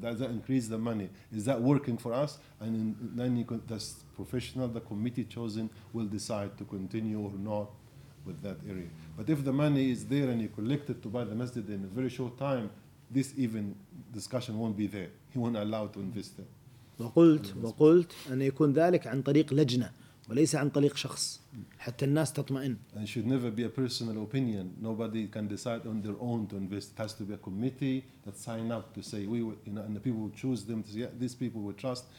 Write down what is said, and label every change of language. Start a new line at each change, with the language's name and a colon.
English: Does that increase the money? Is that working for us? And then you can, that's professional, the committee chosen will decide to continue or not with that area. But if the money is there and you collect it to buy the masjid in a very short time, this even discussion won't be there. He won't allow to invest there.
Arabic: وقلت أن يكون ذلك عن طريق لجنة وليس عن طريق شخص حتى الناس تطمئن.
English: And it should never be a personal opinion. Nobody can decide on their own to invest. It has to be a committee that sign up to say and the people choose them to say, yeah, these people will trust.